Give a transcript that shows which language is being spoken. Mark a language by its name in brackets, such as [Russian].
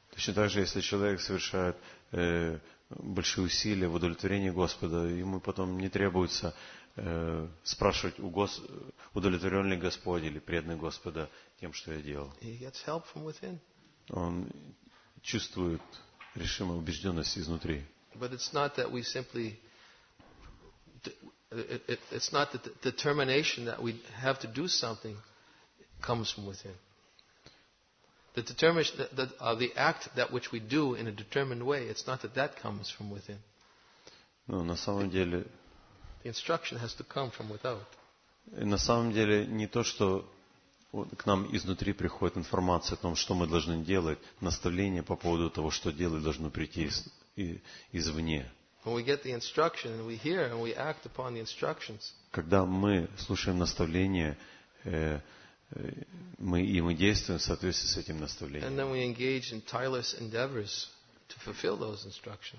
[Russian] Точно так же, если человек совершает большие усилия в удовлетворении Господа, ему потом не требуется спрашивать у удовлетворен ли Господь или преданный Господа тем, что я делал. [English] He gets help from within. [Russian] Он чувствует решимую убежденность изнутри. [English] But it's not that we simply it's not that the determination that we have to do something comes from within. The determination, the act that which we do in a determined way, it's not that that comes from within. [Russian] Но на самом деле [English] the instruction has to come from without. [Russian] На самом деле не то, что к нам изнутри приходит информация о том, что мы должны делать, наставление по поводу того, что делать должно прийти извне. [English] When we get the instruction and we hear and we act upon the instructions. [Russian] Когда мы слушаем наставление, мы и мы действуем в соответствии с этим наставлением. [English] And then we engage in tireless endeavors to fulfill those instructions.